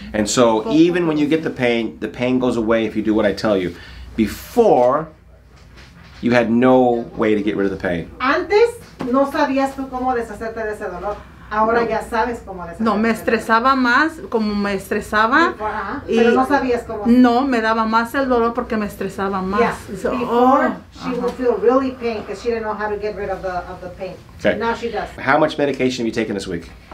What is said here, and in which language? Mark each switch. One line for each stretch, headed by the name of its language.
English: And so even when you get the pain goes away if you do what I tell you. Before, you had no way to get rid of the pain.
Spanish: Antes, no sabías tú cómo deshacerte de ese dolor. Ahora no. Ya sabes cómo les no, me estresaba más, como me estresaba. Y, pero no sabías cómo. No, me daba más el dolor porque me estresaba más.
English: Yeah. So, before, she uh-huh. would feel really pain because she didn't know how to get rid of the pain. Okay. Now she does. How much medication have you taken this week?